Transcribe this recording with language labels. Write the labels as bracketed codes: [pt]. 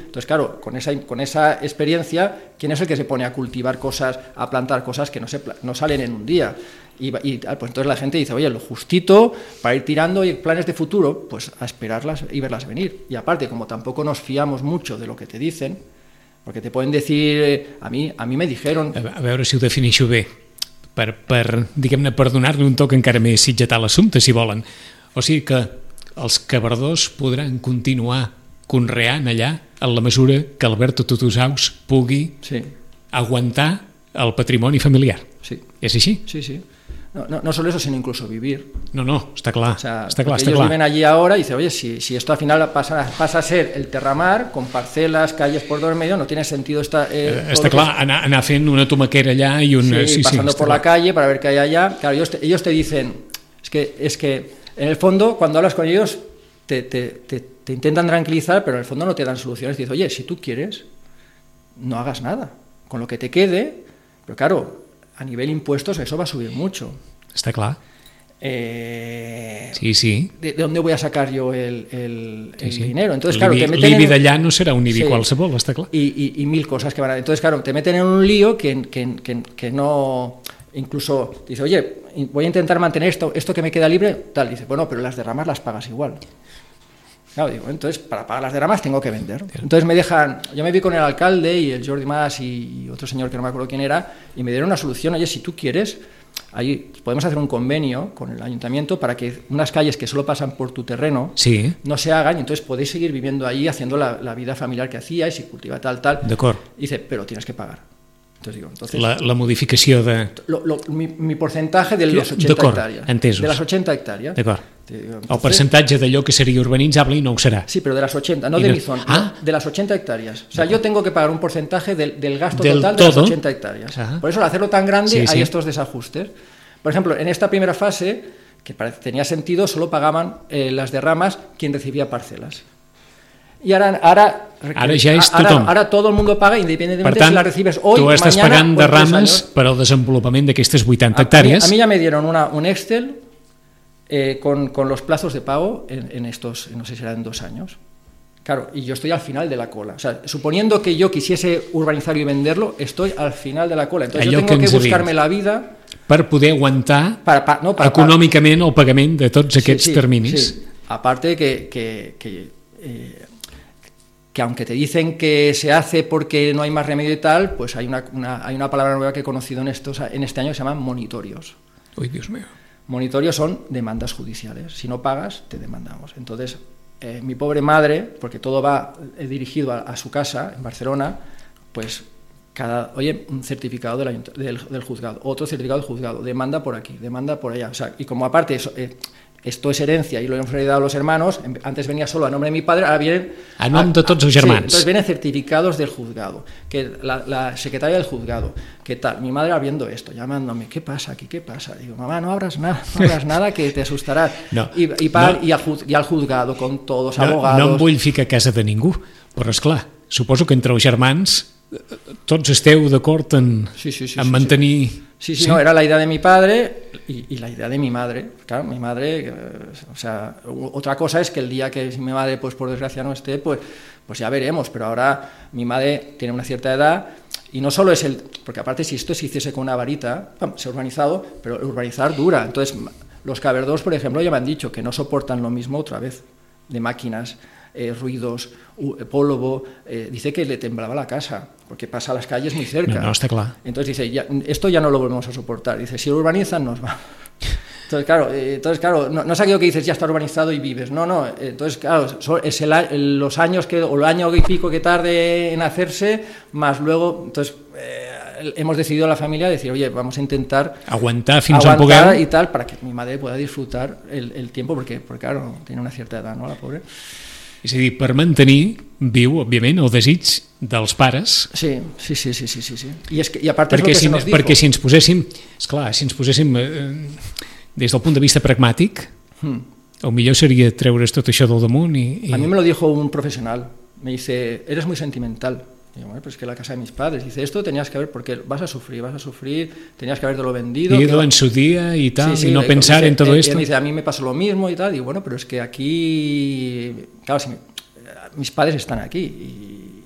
[es] Entonces, claro, con esa experiencia, ¿quién es el que se pone a cultivar cosas, a plantar cosas que no salen en un día? Y pues entonces la gente dice, oye, lo justito para ir tirando y planes de futuro, pues a esperarlas y verlas venir. Y aparte, como tampoco nos fiamos mucho de lo que te dicen, porque te pueden decir, a mí me dijeron... [ca] A ver si lo definixo bé. Per diguem-ne, per donar-li un toc encara més sitgetar l'assumpte, si volen. O sigui que els Cabardós podran continuar conreant allà en la mesura que Alberto Tutusaus pugui, sí, aguantar el patrimoni familiar. Sí. És així? [es] Sí, sí. No solo eso, sino incluso vivir. No, está claro. O sea, está claro, ellos está viven allí ahora y dicen, oye, si esto al final pasa a ser el terramar, con parcelas, calles, puertos en medio, no tiene sentido esta... Está claro, que... [ca] anar fent una tomaquera [es] allá y un... Sí, sí, pasando, sí, por la calle para ver qué hay allá. Claro, ellos te dicen, es que en el fondo, cuando hablas con ellos, te intentan tranquilizar, pero en el fondo no te dan soluciones. Dicen, oye, si tú quieres, no hagas nada. Con lo que te quede, pero claro... A nivel impuestos, eso va a subir mucho. Está claro. Sí, sí. ¿De dónde voy a sacar yo el sí, sí, dinero? Entonces, claro, te meten... [ca] L'IBI d'allà no serà un IBI, sí, qualsevol, [es] está claro. Y mil cosas que van a... Entonces, claro, te meten en un lío que no... Incluso dice, oye, voy a intentar mantener esto que me queda libre, tal. Dice, bueno, pero las derramas las pagas igual. Claro, digo, entonces, para pagar las derramas tengo que vender. Entonces me dejan... Yo me vi con el alcalde y el Jordi Mas y otro señor que no me acuerdo quién era, y me dieron una solución. Oye, si tú quieres, ahí podemos hacer un convenio con el ayuntamiento para que unas calles que solo pasan por tu terreno, sí, no se hagan, y entonces podéis seguir viviendo ahí, haciendo la vida familiar que hacíais y cultiva tal, tal. De acuerdo. Dice, pero tienes que pagar. Entonces digo, entonces... La modificación de... Mi porcentaje de las 80 hectáreas. [ca] Entesos. [es] De las 80 hectáreas. De acuerdo. [ca] Entonces, el percentatge d'allò que seria urbanitzable i no ho serà. [es] Sí, [ca] però de les 80, [es] no de mi zona, [ca] de les 80 hectàrees. [es] O sea, jo tengo que pagar un porcentatge del gasto del total todo. [ca] De les 80 hectàrees. [es] Por eso, al hacerlo tan grande, sí, sí, hay estos desajustes. Por ejemplo, en esta primera fase, que tenía sentido, solo pagaban las derramas quien recibía parcelas. Y ahora [ca] ja és tothom. [es] Ara todo el mundo paga independientemente [ca] tant, [es] si la recibes hoy, mañana o tres años. [ca] Tu estàs pagant derrames per al desenvolupament d'aquestes 80 hectàrees. [es] A mi ja me dieron un Excel... con los plazos de pago en estos, no sé si eran 2 años. Claro, y yo estoy al final de la cola. O sea, suponiendo que yo quisiese urbanizarlo y venderlo, estoy al final de la cola. Entonces [ca] allò [es] yo tengo que buscarme [ca] dit, [es] la vida [ca] per poder aguantar econòmicament el pagament de tots aquests, sí, sí, terminis. Sí. [es] Aparte que aunque te dicen que se hace porque no hay más remedio y tal, pues hay una palabra nueva que he conocido en este año que se llama monitorios. Uy, Dios mío. Monitorios son demandas judiciales. Si no pagas, te demandamos. Entonces, mi pobre madre, porque todo va dirigido a su casa en Barcelona, pues oye, un certificado del juzgado, otro certificado del juzgado, demanda por aquí, demanda por allá. O sea, y como aparte, esto es herencia y lo hemos heredado a los hermanos, antes venía solo a nombre de mi padre, ahora vienen... A nombre de todos sus hermanos. Sí, entonces vienen certificados del juzgado, que la secretaria del juzgado, ¿qué tal? Mi madre abriendo esto, llamándome, ¿qué pasa aquí, qué pasa? Digo, mamá, no abras nada, no abras nada que te asustarás. No, y al juzgado con todos, abogados... [ca] No em vull ficar a casa de ningú, però esclar, suposo que entre els germans tots esteu d'acord en, en mantenir... Sí. [es] Sí, sí, sí, no, era la idea de mi padre y la idea de mi madre. Claro, mi madre, o sea, otra cosa es que el día que mi madre, pues por desgracia no esté, pues ya veremos, pero ahora mi madre tiene una cierta edad y no solo es el... Porque aparte si esto se hiciese con una varita, se ha urbanizado, pero urbanizar dura. Entonces, los cabredos, por ejemplo, ya me han dicho que no soportan lo mismo otra vez de máquinas, ruidos, polvo, dice que le temblaba la casa. Porque pasa las calles muy cerca. No, está claro. Entonces dice, ya, esto ya no lo volvemos a soportar. Dice, si lo urbanizan, nos va. Entonces, claro, no, no es aquello que dices, ya está urbanizado y vives. No, no. Entonces, claro, es los años que, o el año y pico que tarde en hacerse, más luego, entonces, hemos decidido la familia decir, oye, vamos a intentar aguantar, aguantar y tal, para que mi madre pueda disfrutar el tiempo, porque claro, tiene una cierta edad, ¿no?, la pobre. [ca] És a dir, per mantenir viu, òbviament, el desig dels pares. Sí, sí, sí, sí, sí, sí. I, és que, i a part és el que se'ns diu. Perquè si ens poséssim, esclar, si ens poséssim des del punt de vista pragmàtic, el millor seria treure's tot això del damunt i... [es] A mi me lo dijo un professional. Me dice, eres muy sentimental. Y yo, bueno, pues que la casa de mis padres. Dice, esto tenías que haber, porque vas a sufrir, tenías que haberlo vendido. Ido en su día y tal, sí, sí, y no pensar en todo esto. Y dice, a mí me pasó lo mismo y tal. Y bueno, pero es que aquí, claro, si mis padres están aquí.